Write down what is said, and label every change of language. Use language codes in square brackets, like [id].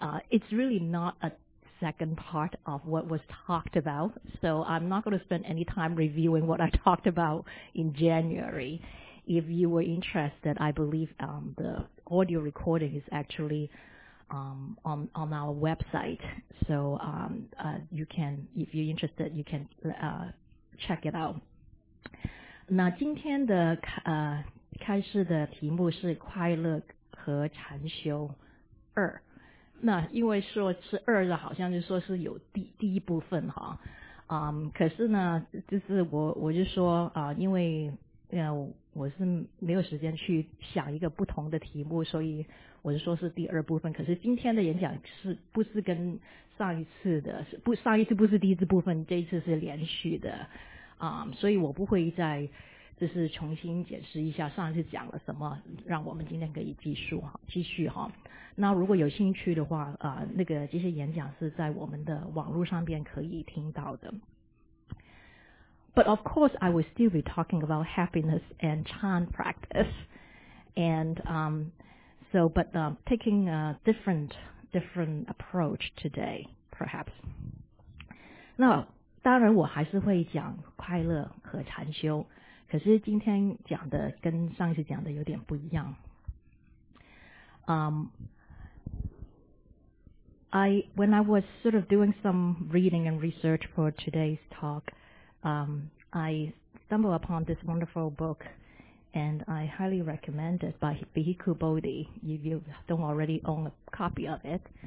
[en] It's really not a second part of what was talked about, so I'm not going to spend any time reviewing what I talked about in January. If you were interested, I believe the audio recording is actually. On our website, so you can, if you're interested, you can check it out. [zh] 那今天的开示的题目是快乐和禅修二。那因为说是二的，好像就说是有第一部分哈。可是呢，就是我就说因为我是没有时间去想一个不同的题目，所以。我是说是第二部分，可是今天的演讲是不是跟上一次的上一次不是第一次部分，这一次是连续的所以我不会再就是重新解释一下上一次讲了什么，让我们今天可以继续哈。那如果有兴趣的话那个这些演讲是在我们的网络上面可以听到的。 [en] But of course, I will still be talking about happiness and Chan practice. So, taking a different approach today, perhaps. [zh] 那当然我还是会讲快乐和禅修，可是今天讲的跟上次讲的有点不一样。 [en] When I was sort of doing some reading and research for today's talk, I stumbled upon this wonderful book. And I highly recommend it by Bhikkhu Bodhi, if you don't already own a copy of it.